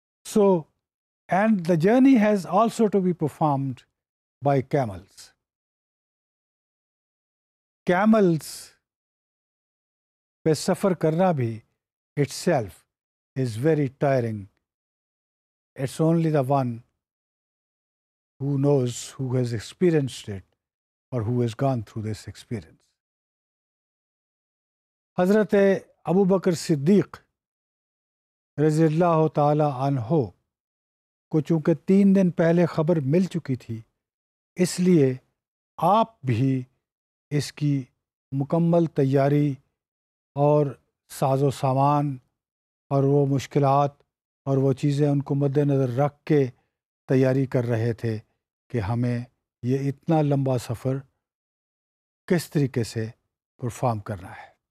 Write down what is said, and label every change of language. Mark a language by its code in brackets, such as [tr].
[en] So and the journey has also to be performed by camels. [ur] Camels پہ سفر کرنا بھی [en] Itself is very tiring. It's only the one who knows, who has experienced it, or who has gone through this experience. [ur] حضرت ابو بکر صدیق رضی اللہ تعالی عنہ کو چونکہ 3 دن پہلے خبر مل چکی تھی، اس لیے آپ بھی اس کی مکمل تیاری اور ساز و سامان اور وہ مشکلات اور وہ چیزیں ان کو مد نظر رکھ کے تیاری کر رہے تھے کہ ہمیں یہ اتنا لمبا سفر کس طریقے سے پرفارم کرنا ہے.